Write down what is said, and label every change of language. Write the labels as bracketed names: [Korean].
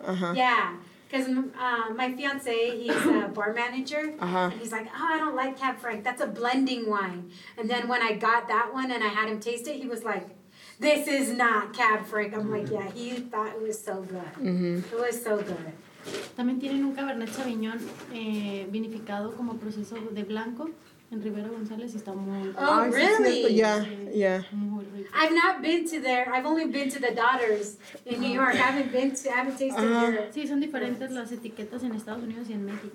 [Spanish] Bueno. [English] Yeah, because my fiancé, he's a bar manager. Uh-huh. And he's like, oh, I don't like Cab Franc. That's a blending wine. And then when I got that one and I had him taste it, he was like, this is not Cab Franc. I'm like, yeah, he thought it was so good. Mm-hmm. It was so good. [Spanish] También tienen un Cabernet Sauvignon vinificado como proceso de blanco en Rivera González y está muy... [English] Oh, really? Yeah. I've not been to there. I've only been to the daughters in New York. I haven't tasted [Spanish] here. Sí, son diferentes las etiquetas en Estados Unidos y en México.